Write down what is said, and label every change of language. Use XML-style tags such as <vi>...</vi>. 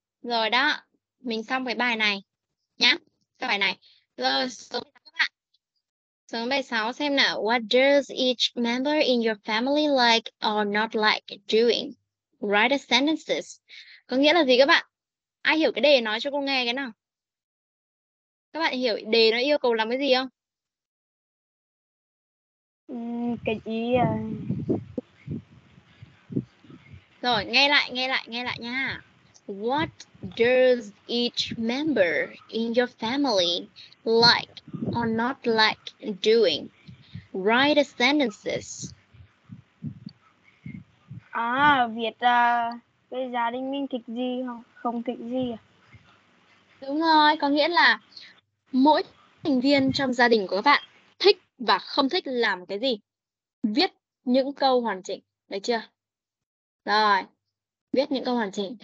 <vi>Rồi đó, mình xong cái bài này nhá. Cái bài này. Rồi xuống các bạn. Xuống bài 6 xem nào.</vi> <en>What does each member in your family like or not like doing? Write a sentences.</en> <vi>Có nghĩa là gì các bạn? Ai hiểu cái đề nói cho cô nghe cái nào? Các bạn hiểu đề nó yêu cầu làm cái gì không? Cái gì à? Rồi, nghe lại nha.</vi> <en>What does each member in your family like or not like doing? Write a sentences.</en> <vi>À, Việt cái gia đình mình thích gì không? Không thích gì à? Đúng rồi, có nghĩa là mỗi thành viên trong gia đình của các bạn thích và không thích làm cái gì. Viết những câu hoàn chỉnh, được chưa? Rồi, viết những câu hoàn chỉnh.</vi>